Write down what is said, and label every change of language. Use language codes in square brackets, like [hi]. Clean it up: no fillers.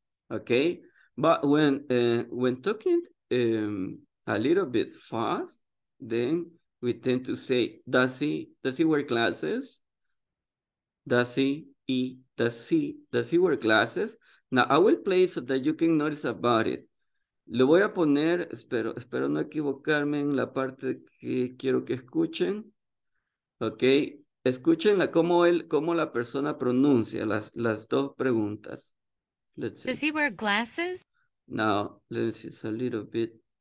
[en] Okay, but when talking a little bit fast, then we tend to say, does he wear glasses? Does he wear glasses? Now, I will play it so that you can notice about it. [es] Lo voy a poner, espero no equivocarme en la parte que quiero que escuchen. Okay, escuchen cómo la persona pronuncia las dos preguntas. [en] Let's see. Does he wear glasses? Now, let me see, it's a little bit.